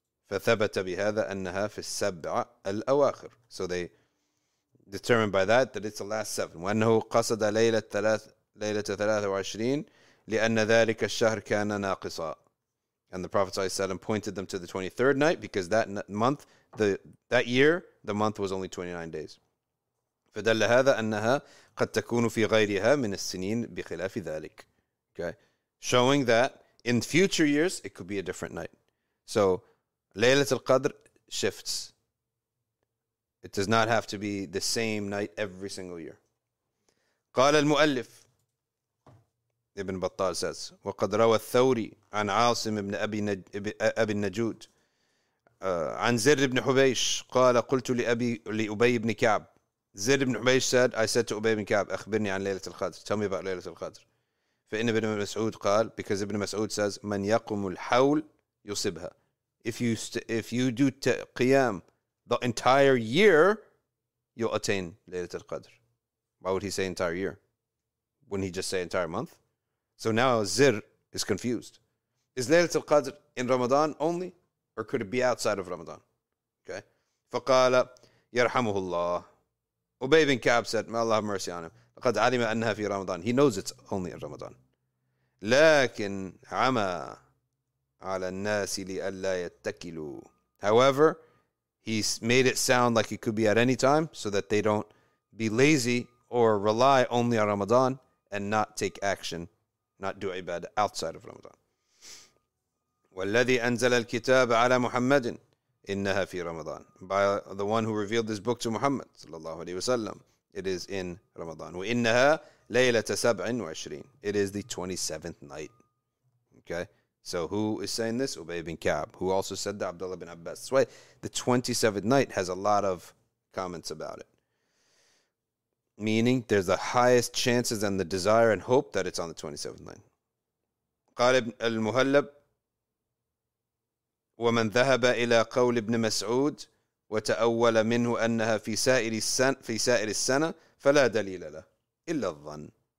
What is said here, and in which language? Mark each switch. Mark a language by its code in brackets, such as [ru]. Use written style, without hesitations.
[ar] فثبت بهذا أنها في السبع الأواخر. [en] So they determined by that it's the last 7. [ar] وأنه قصد ليلة 23 لأن ذلك الشهر كان ناقصا. [en] And the Prophet ﷺ pointed them to the 23rd night because that month, that year, the month was only 29 days. [ar] فدل هذا أنها قد تكون في غيرها من السنين بخلاف ذلك. [en] Okay, showing that in future years it could be a different night. So ليلة القدر shifts. It does not have to be the same night every single year. [ar] قال المؤلف ابن بطال says, وقد روى الثوري عن عاصم ابن أبي النجود عن زر ابن حبيش قال قلت لأبي ابن كعب. [en] Zayd ibn Humayish said, I said to Ubay ibn Ka'b, [ar] أخبرني عن ليلة الخدر. [en] Tell me about [ar] ليلة الخدر. فإن ابن مسعود قال, [en] because [ar] ابن مسعود says, من يقوم الحول يصبها. [en] If you do قيام the entire year, you'll attain ليلة الخدر. Why would he say entire year? Wouldn't he just say entire month? So now Zir is confused. Is ليلة الخدر in Ramadan only? Or could it be outside of Ramadan? Okay. [ar] فقال يرحمه الله. [en] Ubay ibn Ka'b said, may Allah have mercy on him. [ar] لقد علم أنها في رمضان. [en] He knows it's only in Ramadan. [ar] لكن عمى على الناس لألا يتكلوا. [en] However, he made it sound like it could be at any time so that they don't be lazy or rely only on Ramadan and not take action, not do ibadah outside of Ramadan. [ar] والذي أنزل الكتاب على محمد إنها في رمضان. [en] By the one who revealed this book to Muhammad sallallahu alaihi wasallam, it is in Ramadan. [ar] وإنها ليلة 27. [en] It is the 27th night. Okay, So who is saying this? Ubay bin Ka'b, who also said that Abdullah bin Abbas. That's why the 27th night has a lot of comments about it. Meaning there's the highest chances and the desire and hope that it's on the 27th night. [ar] قال ابن المهلب ومن ذهب إلى قول ابن مسعود وتأول منه أنها في سائر السنة فلا دليل له إلا الظن.